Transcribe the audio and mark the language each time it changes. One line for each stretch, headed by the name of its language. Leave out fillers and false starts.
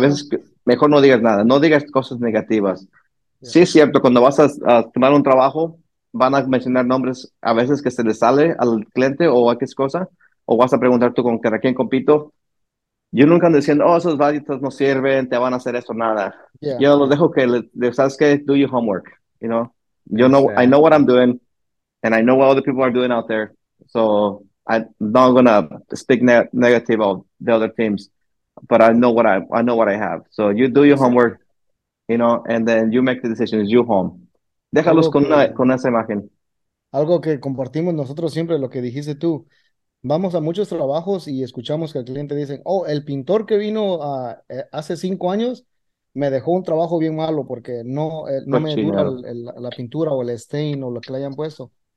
Spanish: veces mejor no digas nada, no digas cosas negativas. Sí es cierto, cuando vas a tomar un trabajo, van a mencionar nombres a veces que se les sale al cliente o a qué es cosa, o vas a preguntar tú con quién compito. Yo nunca ando diciendo, oh, esos valletas no sirven, te van a hacer eso, nada. Yo los dejo ¿sabes qué?
English: Do your homework. You know, I know what I'm doing, and I know what other people are doing out there. So I'm not gonna speak ne negative of the other teams, but I know what I have. So you do your homework, and then you make the decisions, you home.
Spanish: Déjalos Algo con esa imagen. que compartimos nosotros siempre, lo que dijiste tú. Vamos a muchos trabajos y escuchamos que el cliente dice, oh, el pintor que vino hace 5 años me dejó un trabajo bien malo porque no me dura Cochinero. la pintura o el stain o lo que le hayan puesto.